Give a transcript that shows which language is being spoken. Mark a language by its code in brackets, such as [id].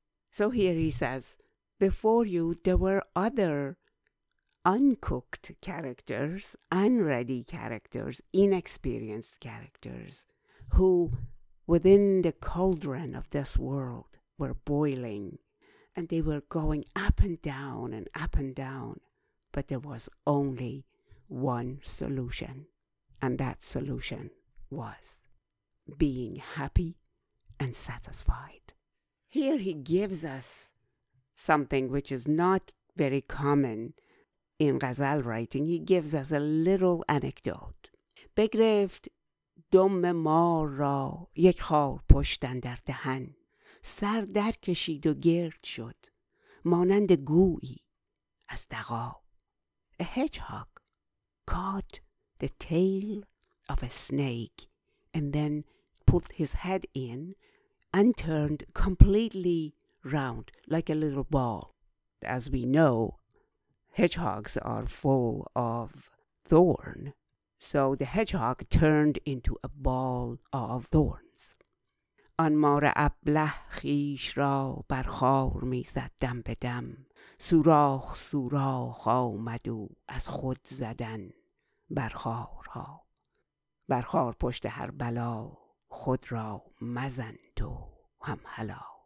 [en] So here he says, before you, there were other uncooked characters, unready characters, inexperienced characters, who within the cauldron of this world were boiling, and they were going up and down and up and down, but there was only one solution, and that solution was being happy and satisfied. Here he gives us something which is not very common in ghazal writing. He gives us a little anecdote. [fa] بگرفت دم مار را یک خار پشت اندر دهن، سر در کشید و گرد شد مانند گویی از دغا. [en] A hedgehog caught the tail of a snake and then pulled his head in and turned completely round like a little ball. As we know, hedgehogs are full of thorn, so the hedgehog turned into a ball of thorn. [fa] آن مار ابله خیش را بر خار می زد دم به دم، سوراخ سوراخ آمد و از خود زدن بر خار ها. بر خار پشت هر بلا خود را مزن تو هم هلا.